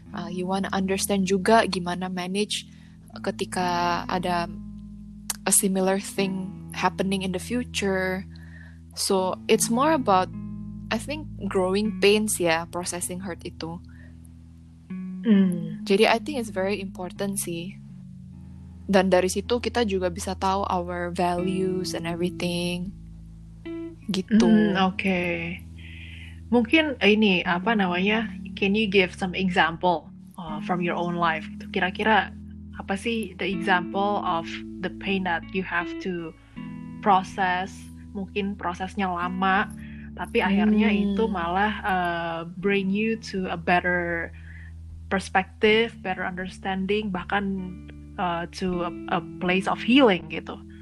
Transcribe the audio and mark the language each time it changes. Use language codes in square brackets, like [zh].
[en] You want to understand [id] juga gimana [en] manage [id] ketika ada [en] a similar thing happening in the future. So it's more about, I think, growing pains, yeah, processing hurt [id] itu. Jadi [en] I think it's very important [id] sih. Dan dari situ kita juga bisa tahu [en] our values and everything [id] gitu. [en] Okay. [id] Mungkin ini apa namanya? [en] Can you give some example from your own life? [id] Kira-kira apa sih [en] the example of the pain that you have to process? [id] Mungkin prosesnya lama, tapi akhirnya itu malah [en] bring you to a better perspective, better understanding, [id] bahkan [en] to a place of healing [id] gitu.